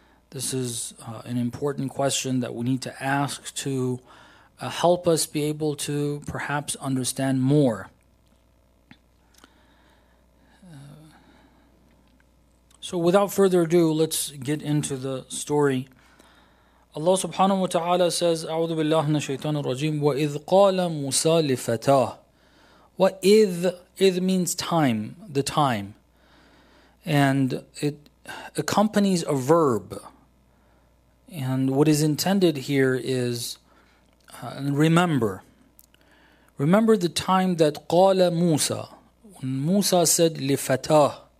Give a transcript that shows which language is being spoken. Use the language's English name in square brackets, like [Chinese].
[English] This is an important question that we need to ask to help us be able to perhaps understand more. So without further ado, let's get into the story. [Arabic] Allah subhanahu wa ta'ala says, أعوذ بالله من الشيطان الرجيم وَإِذْ قَالَ مُوسَى لِفَتَاهُ وَإِذْ [English] means time, the time. And it accompanies a verb. And what is intended here is, remember the time that [Arabic] قَالَ مُوسَى, [English] when Musa said [Arabic] لِفَتَاهُ,